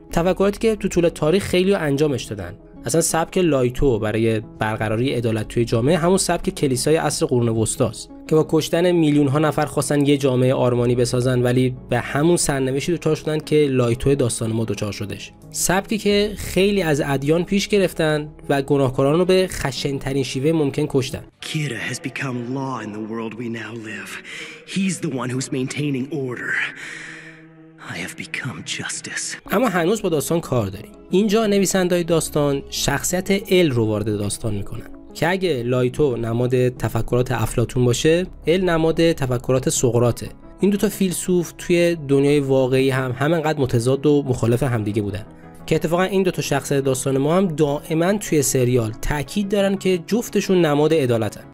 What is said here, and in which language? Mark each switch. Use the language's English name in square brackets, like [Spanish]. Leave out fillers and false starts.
[Persian] تفکراتی که تو طول تاریخ خیلی انجامش دادن. اصلا سبک لایتو برای برقراری عدالت توی جامعه همون سبک کلیسای عصر قرون وسطاست که با کشتن میلیون ها نفر خواستن یه جامعه آرمانی بسازن ولی به همون سرنوشتی دچار شدن که لایتو داستان ما دچار شدش. سبکی که خیلی از ادیان پیش گرفتن و گناهکاران رو به خشن ترین شیوه ممکن کشتن. [English] Kira has become law in the world we now live. He's the one who's maintaining order. I have become justice. [Persian] اما هنوز با داستان کار داریم. اینجا نویسنده های داستان شخصیت ال رو وارد داستان میکنن که اگه لایتو نماد تفکرات افلاطون باشه ال نماد تفکرات سقراطه. این دوتا فیلسوف توی دنیای واقعی هم همینقدر متضاد و مخالف همدیگه بودن که اتفاقا این دوتا شخصیت داستان ما هم دائما توی سریال تاکید دارن که جفتشون نماد عدالتن.